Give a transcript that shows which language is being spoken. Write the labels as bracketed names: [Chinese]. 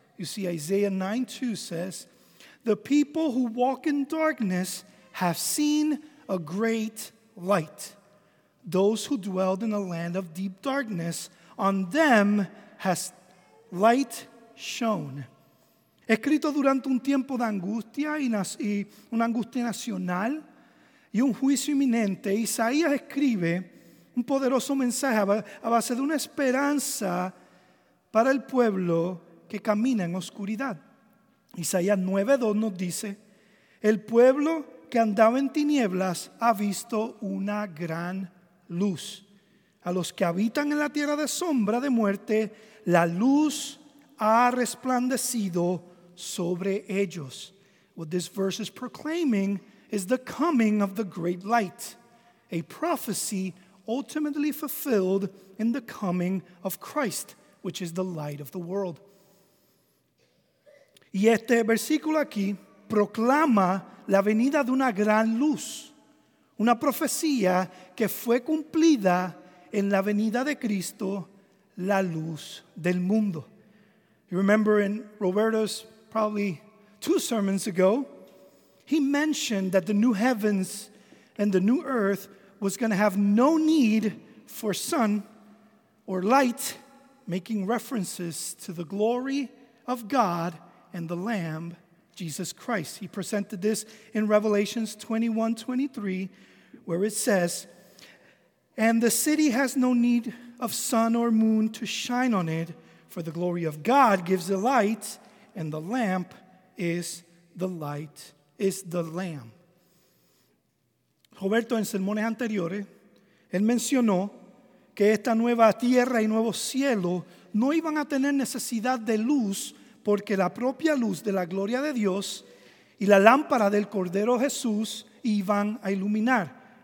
[English] You see, Isaiah 9:2 says, "The people who walk in darkness have seen a great light. Those who dwelled in a land of deep darkness, on them has light shone." [Spanish] Escrito durante un tiempo de angustia y una angustia nacional y un juicio inminente, Isaías escribe un poderoso mensaje a base de una esperanza para el pueblo que camina en oscuridad. Isaías 9:2 nos dice, "El pueblo que andaba en tinieblas ha visto una gran luz. A los que habitan en la tierra de sombra de muerte, la luz ha resplandecido sobre ellos." [English] What this verse is proclaiming is the coming of the great light, a prophecy ultimately fulfilled in the coming of Christ, which is the light of the world. [Spanish] Y este versículo aquí proclama la venida de una gran luz, una profecía que fue cumplida en la venida de Cristo, la luz del mundo. [English] You remember in Roberto's, probably two sermons ago, he mentioned that the new heavens and the new earth was going to have no need for sun or light, making references to the glory of God and the Lamb, Jesus Christ. He presented this in Revelations 21:23, where it says, "And the city has no need of sun or moon to shine on it, for the glory of God gives the light, and the lamp is the light, is the Lamb." [Spanish] Roberto, en sermones anteriores, él mencionó que esta nueva tierra y nuevo cielo no iban a tener necesidad de luz, porque la propia luz de la gloria de Dios y la lámpara del Cordero Jesús iban a iluminar.